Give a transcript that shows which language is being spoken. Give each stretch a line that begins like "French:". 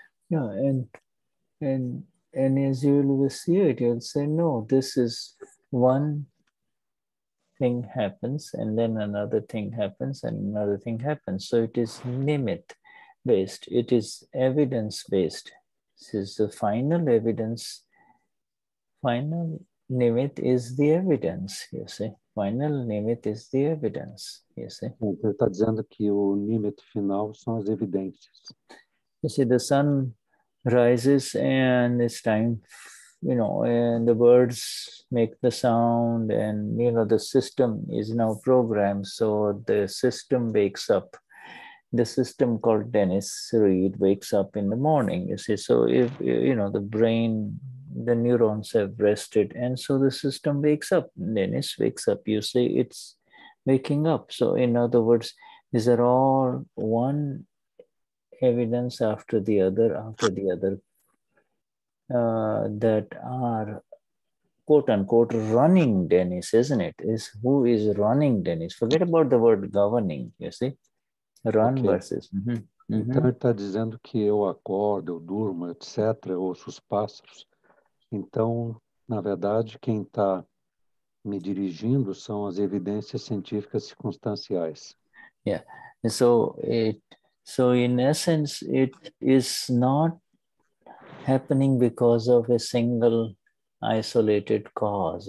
English: Yeah, and as you will see it, you'll say, no, this is one thing happens, and then another thing happens, and another thing happens. So it is nimit-based. It is evidence-based. This is the final evidence, final nimit is the evidence, you see. Final nimit is the evidence, you see.
Portuguese: Ele está dizendo que o nimit final são as evidências.
English: You see, the sun rises and it's time, you know, and the birds make the sound and, you know, the system is now programmed. So the system wakes up. The system called Dennis Reed wakes up in the morning, you see. So, if you know, the brain, the neurons have rested, and so the system wakes up. Dennis wakes up, you see, it's waking up. So, in other words, these are all one evidence after the other, that are quote unquote running Dennis, isn't it? Is who is running Dennis? Forget about the word governing, you see, run okay. Versus. Mm-hmm. Mm-hmm.
Portuguese: Então, ele está dizendo que eu acordo, eu durmo, etc., ouço os pássaros. Então, na verdade, quem está me dirigindo são as evidências científicas circunstanciais.
English: Yeah. So in essence, it is not happening because of a single isolated cause.